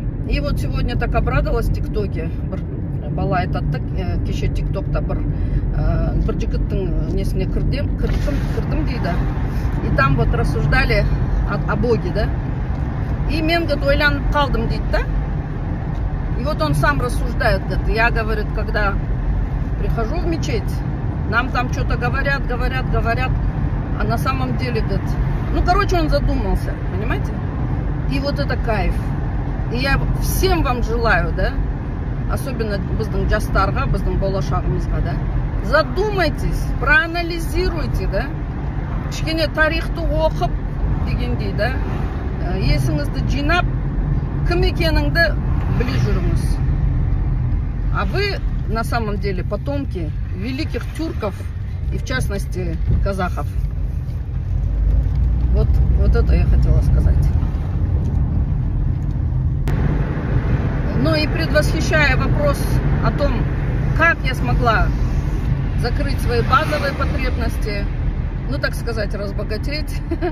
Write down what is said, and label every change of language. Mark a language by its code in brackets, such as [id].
[ru] И вот сегодня так обрадовалась в ТикТоке. [kk] Бала айтады да, кеше тиктокта бір жігіттің несіне кірдім дейді. [ru] И там вот рассуждали о Боге, да. И [kk] мен, [ru] говорит, [kk] ойланып қалдым дейді да. [ru] И вот он сам рассуждает, говорит. Я, говорит, когда прихожу в мечеть, нам там что-то говорят. А на самом деле, говорит, ну, короче, он задумался, понимаете? И вот это кайф. И я всем вам желаю, да. Особенно [kk] біздің жастарға, біздің болашағымызға, да? [ru] Задумайтесь, проанализируйте, да? [kk] Кішкене тарихты оқып дегендей, да? Есіңізді жинап, кім екеніңді біле жүріңіз. [ru] А вы на самом деле потомки великих тюрков и в частности казахов. Вот, вот это я хотела сказать. Ну и предвосхищая вопрос о том, как я смогла закрыть свои базовые потребности, ну так сказать, разбогатеть.